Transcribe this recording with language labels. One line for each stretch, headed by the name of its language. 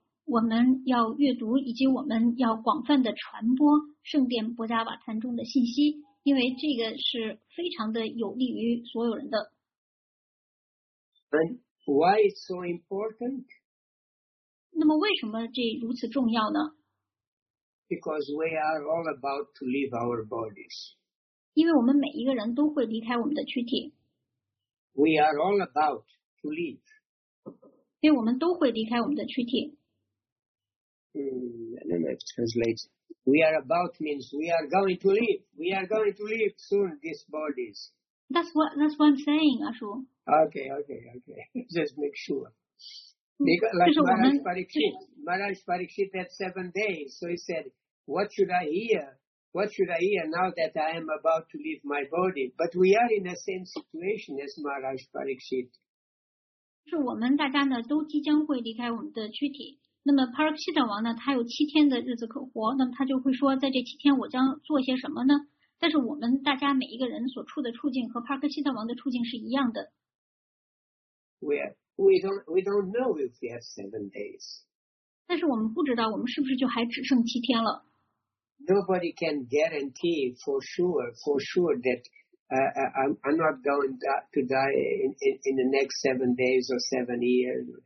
Chinese: 我们要阅读以及我们要广泛的传播圣殿博迦瓦坛中的信息，因为这个是非常的有利于所有人的。
English: And why it's so important?
Chinese: 那么为什么这如此重要呢？
English: Because we are all about to leave our bodies.
Chinese: 因为我们每一个人都会离开我们的躯体。
English: We are all about to leave.
Chinese: 因为我们都会离开我们的躯体。
English: I don't know if it translates. We are about means we are going to leave. We are going to leave soon, these bodies. That's what I'm saying, Ashu. Okay. Just make sure. Maharaj Parikshit had 7 days, so he said, What should I hear now that I am about to leave my body? But we are in the same situation as Maharaj Parikshit.
Chinese: 是我们大家呢都即将会离开我们的躯体。那么 Parikshita 王呢，他有七天的日子可活，那么他就会说，在这七天我将做些什么呢？但是我们大家每一个人所处的处境和 Parikshita 王的处境是一样的。
English: We don't know if we have 7 days.
Chinese: 但是我们不知道我们是不是就还只剩七天了。
English: Nobody can guarantee for sure that I'm not going to die in the next 7 days or 7 years.